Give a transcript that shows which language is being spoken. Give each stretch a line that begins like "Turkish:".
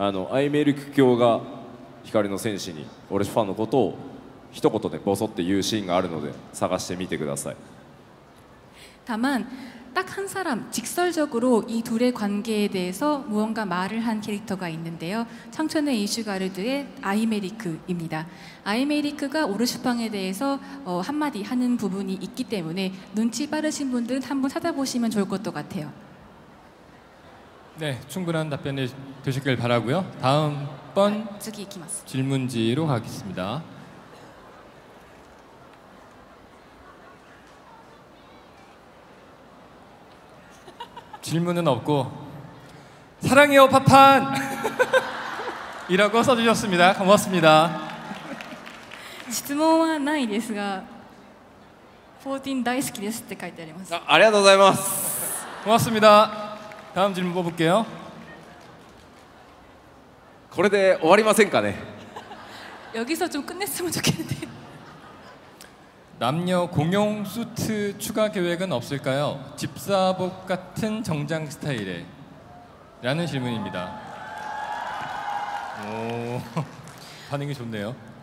Japanese: アイメルク教が 光の戦士に 俺ファンのことを 一言で ボソって言うシーンがあるので探してみてください。
Korean: 다만 딱 한 사람, 직설적으로 이 둘의 관계에 대해서 무언가 말을 한 캐릭터가 있는데요. 청춘의 이슈가르드의 아이메리크입니다. 아이메리크가 오르슈팡에 대해서 한마디 하는 부분이 있기 때문에 눈치 빠르신 분들은 한번 찾아보시면 좋을 것 같아요. 네, 충분한 답변이 되셨길 바라고요. 다음번 질문지로 가겠습니다. 질문은 없고 사랑해요 파판! 이라고 써주셨습니다. 고맙습니다. 질문은 없지만 포틴
Japanese: 大好きです
Korean: 이렇게
Japanese: 書いてあります.
Korean: 감사합니다. 고맙습니다. 다음 질문 뽑을게요.
Japanese: これで終わりませんかね?
Korean: 여기서 좀 끝냈으면 좋겠는데. 남녀 공용 수트 추가 계획은 없을까요? 집사복 같은 정장 스타일에 라는 질문입니다. 오, 반응이 좋네요.